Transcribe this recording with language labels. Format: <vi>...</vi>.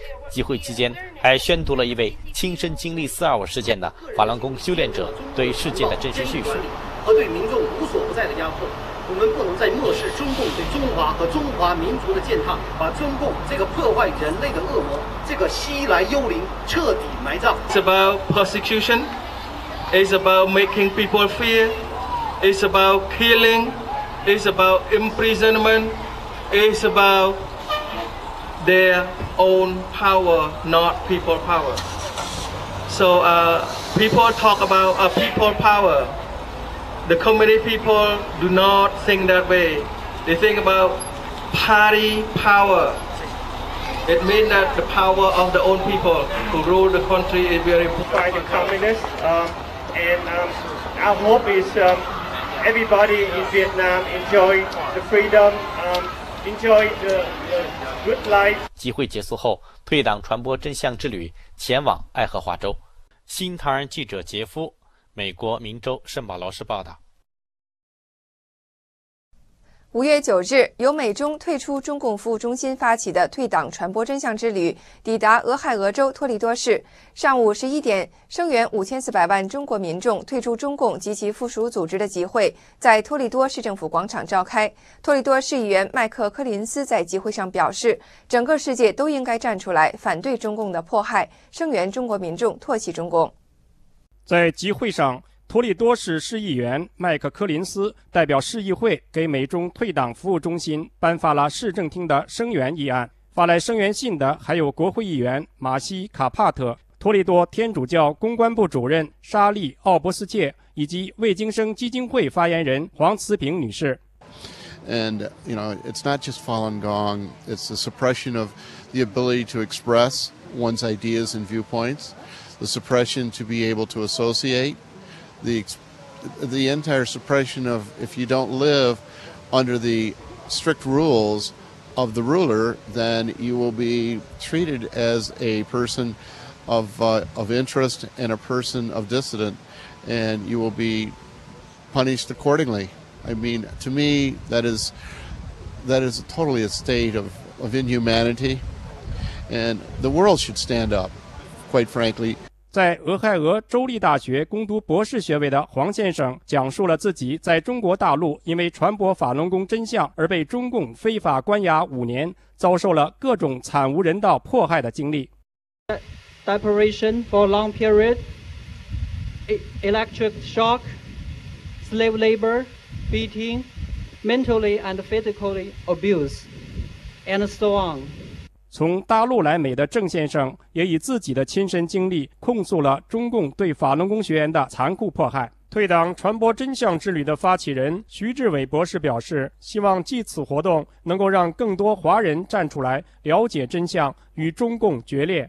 <zh>集会期间还宣读了一位亲身经历425事件的法轮功修炼者对事件的真实叙述。和对民众无所不在的压迫，我们不能再漠视中共对中华和中华民族的践踏，把中共这个破坏人类的恶魔，这个西来幽灵彻底埋葬。</zh> <en>It's about persecution, it's about making people fear, it's about killing, it's about imprisonment. It's about their own power, not people power. So people talk about a people power. The community people do not think that way. They think about party power. It means that the power of the own people who rule the country is very important. By the communists, and our hope is everybody in Vietnam enjoy the freedom. Enjoy the good life.</en> <zh>集会结束后，退党传播真相之旅前往爱荷华州。新唐人记者杰夫，美国明州圣保罗市报道。 5月9日，由美中退出中共服务中心发起的退党传播真相之旅抵达俄亥俄州托利多市，上午11点，声援5400万中国民众退出中共及其附属组织的集会在托利多市政府广场召开。托利多市议员麦克柯林斯在集会上表示，整个世界都应该站出来反对中共的迫害，声援中国民众唾弃中共。在集会上，托利多市市议员麦克柯林斯代表市议会给美中退党服务中心颁发了市政厅的声援议案。发来声援信的还有国会议员马西·卡帕特、托利多天主教公关部主任莎莉·奥伯斯切以及魏京生基金会发言人黄慈平女士。</zh> <en>And, you know, it's not just Falun Gong, it's the suppression of the ability to express one's ideas and viewpoints, the suppression to be able to associate, the entire suppression of if you don't live under the strict rules of the ruler, then you will be treated as a person of interest and a person of dissident, and you will be punished accordingly. I mean, to me, that is totally a state of inhumanity, and the world should stand up, quite frankly.</en> <zh>在俄亥俄州立大学攻读博士学位的黄先生讲述了自己在中国大陆因为传播法轮功真相而被中共非法关押五年，遭受了各种惨无人道迫害的经历。</zh> <en>Deprivation for long period, electric shock, slave labor, beating, mentally and physically abuse, and so on.</en> <zh>从大陆来美的郑先生也以自己的亲身经历控诉了中共对法轮功学员的残酷迫害。退党传播真相之旅的发起人徐志伟博士表示，希望借此活动能够让更多华人站出来了解真相，与中共决裂。</zh>